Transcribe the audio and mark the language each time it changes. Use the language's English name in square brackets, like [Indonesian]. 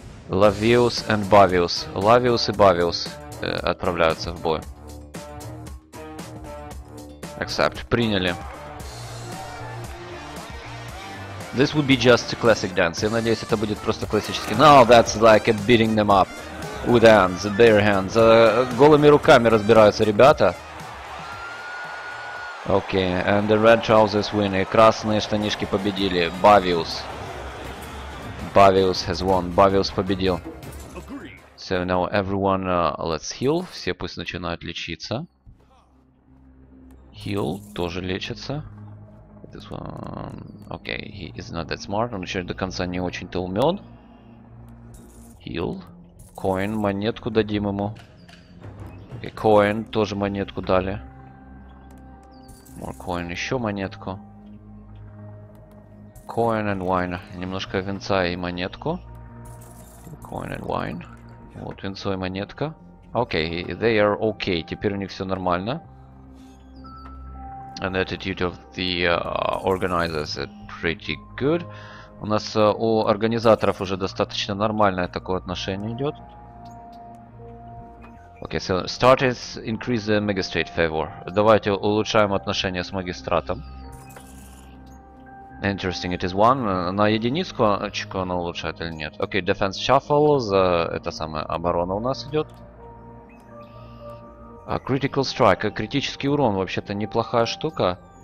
[Russian] Lavius and Bavius. Lavius и Bavius отправляются в бой. [English] Accept. [Russian] Приняли. [English] This would be just a classic dance. [Russian] Я надеюсь, это будет просто классический. [English] Now that's like beating them up with hands, bare hands. [Russian] Голыми руками разбираются ребята. [English] Okay, and the red trousers win. [Russian] И красные штанишки победили. [English] Bavius. Bavius has won. [Russian] Bavius победил. [English] So now everyone let's heal. [Russian] Все пусть начинают лечиться. Heal тоже лечится. [English] This one, okay, he is not that smart. [Russian] Он еще до конца не очень-то умен. Heal. Coin, монетку дадим ему. [English] Okay, coin, [Russian] тоже монетку дали. [English] More coin, [Russian] еще монетку. [English] Coin and wine. [Russian] Немножко венца и монетку. [English] Coin and wine. [Russian] Вот венцо и монетка. [English] Okay, they are okay. [Russian] Теперь у них все нормально. [English] And the attitude of the organizers is pretty good. [Russian] У нас у организаторов уже достаточно нормальное такое отношение идет. [English] Okay, so start is increase the magistrate favor. [Russian] Давайте улучшаем отношения с магистратом. [English] Interesting, it is one. [Russian] На единицу очко оно улучшает или нет? [English] Okay, defense shuffle. [Russian] Это самое, оборона у нас идет. [English] Critical strike, [Russian] критический урон, вообще-то неплохая штука.